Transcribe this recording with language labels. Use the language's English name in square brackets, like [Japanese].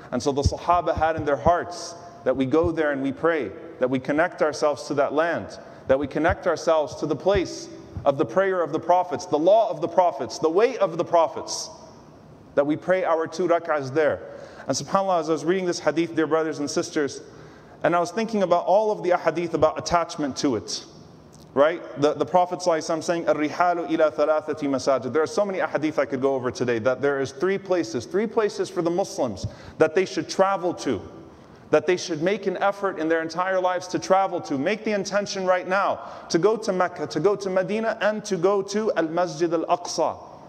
[English] And so the Sahaba had in their hearts that we go there and we pray, that we connect ourselves to that land, that we connect ourselves to the place of the prayer of the prophets, the law of the prophets, the way of the prophets, that we pray our two rak'ahs there. And subhanAllah, as I was reading this hadith, dear brothers and sisters, and I was thinking about all of the ahadith about attachment to it, right? The Prophet ﷺ saying, [Arabic] الرِّحَالُ إِلَىٰ ثَلَاثَةِ مَسَاجِدٍ. [English] There are so many ahadith I could go over today, that there is three places for the Muslims that they should travel to, that they should make an effort in their entire lives to travel to, make the intention right now to go to Mecca, to go to Medina, and to go to Al-Masjid Al-Aqsa.